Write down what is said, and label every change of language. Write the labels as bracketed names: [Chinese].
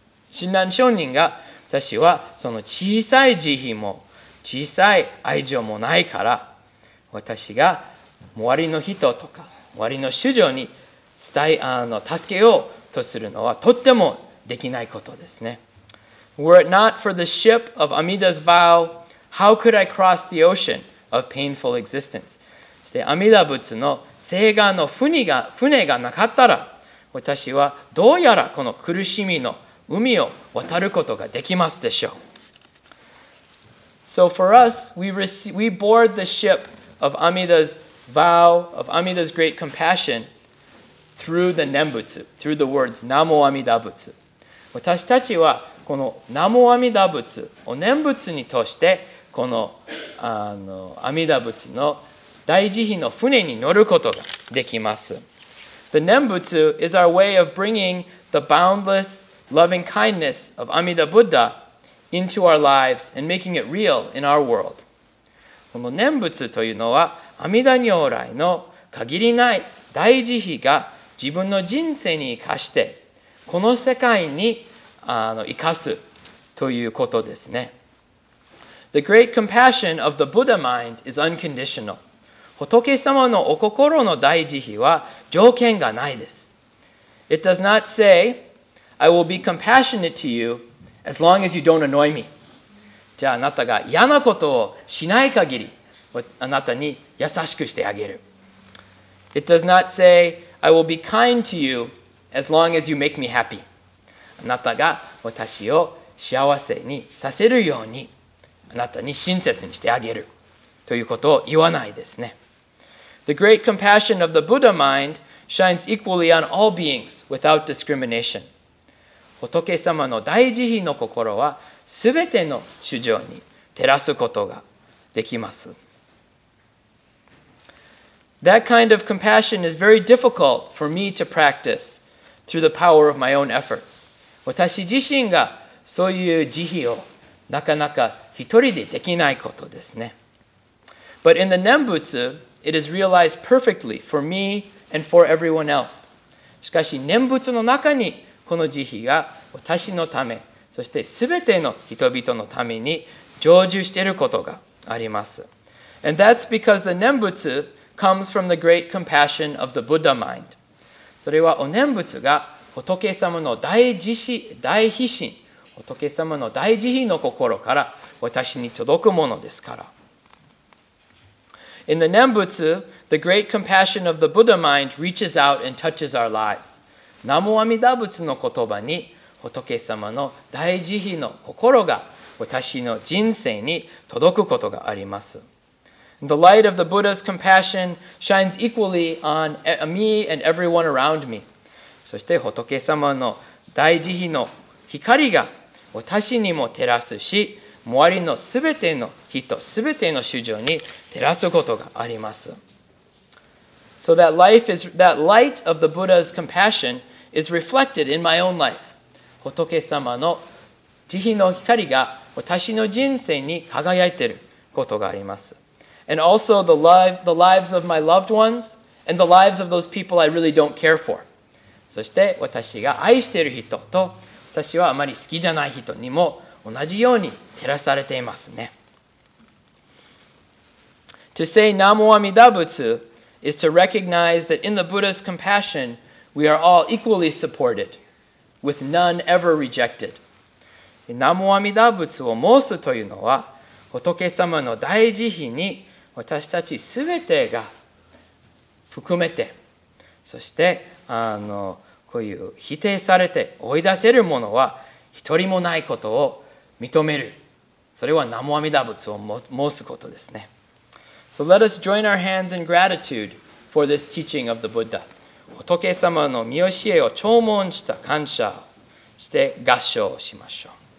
[Japanese] 親鸞聖人が、私はその小さい慈悲も小さい愛情もないから、私が周りの人とか周りの主情に助けようとするのはとってもできないことですね。 [English] Were it not for the ship of Amida's vow, how could I cross the ocean of painful existence? [Japanese] そして阿弥陀仏の誓願の船がなかったら、私はどうやらこの苦しみの海を渡ることができますでしょう。 [English] So for us, we board the ship of Amida's vow, of Amida's great compassion, through the Nembutsu, through the words Namo Amida Butsu. [Japanese] 私たちはこの南無阿弥陀仏を念仏に通してこの阿弥陀仏の大慈悲の船に乗ることができます。 [English] The 念仏 is our way of bringing the boundless loving kindness of Amida Buddha into our lives and making it real in our world. [Japanese] この念仏というのは阿弥陀如来の限りない大慈悲が自分の人生に生かしてこの世界に生かすということですね。 [English] The great compassion of the Buddha mind is unconditional. [Japanese] 仏様のお心の大慈悲は条件がないです。 [English] It does not say, I will be compassionate to you as long as you don't annoy me. [Japanese] じゃああなたが嫌なことをしない限り、あなたに優しくしてあげる。 [English] It does not say, I will be kind to you as long as you make me happy. [Japanese] あなたが私を幸せにさせるようにあなたに親切にしてあげるということを言わないですね。 [English] The great compassion of the Buddha mind shines equally on all beings without discrimination. [Japanese] 仏様の大慈悲の心はすべての衆生に照らすことができます。 [English] That kind of compassion is very difficult for me to practice through the power of my own efforts. [Japanese] 私自身がそういう慈悲をなかなか一人でできないことですね。 [English] But in the Nembutsu, it is realized perfectly for me and for everyone else. [Japanese] しかし、Nembutsu の中にこの慈悲が私のため、そして全ての人々のために成就していることがあります。 [English] And that's because the Nembutsu comes from the great compassion of the Buddha mind. [Japanese] それはお念仏が仏様の大慈悲、大悲心、仏様の大慈悲の心から私に届くものですから。 [English] In the Nembutsu, the great compassion of the Buddha mind reaches out and touches our lives. [Japanese] 南無阿弥陀仏の言葉に仏様の大慈悲の心が私の人生に届くことがあります。 [English] The light of the Buddha's compassion shines equally on me and everyone around me. [Japanese] そして仏様の大慈悲の光が私にも照らすし、周りのすべての人、すべての衆生に照らすことがあります。 [English] So that life is that light of the Buddha's compassion is reflected in my own life. [Japanese] 仏様の慈悲の光が私の人生に輝いていることがあります。 [English] And also the lives of my loved ones and the lives of those people I really don't care for. [Japanese] そして私が愛している人と私はあまり好きじゃない人にも同じように照らされていますね。 [English] To say Namo Amida Butsu is to recognize that in the Buddha's compassion, we are all equally supported, with none ever rejected. [Japanese] Namo Amida Butsu を申すというのは、仏様の大慈悲に私たちすべてが含めて、そしてこういう否定されて追い出せるものは一人もないことを認める。それは南無阿弥陀仏を申すことですね。 [English] So let us join our hands in gratitude for this teaching of the Buddha. [Japanese] 仏様の御教えを聴聞した感謝をして合唱をしましょう。